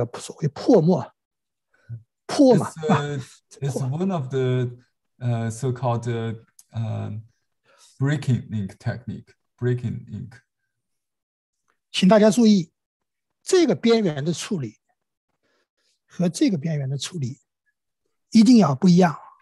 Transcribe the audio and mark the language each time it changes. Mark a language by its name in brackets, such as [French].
[Chinese] 实际上就是我们那个所谓泼墨，泼嘛。 [English] It's one of the so-called breaking ink technique. Breaking ink. [Chinese] 请大家注意，这个边缘的处理和这个边缘的处理一定要不一样。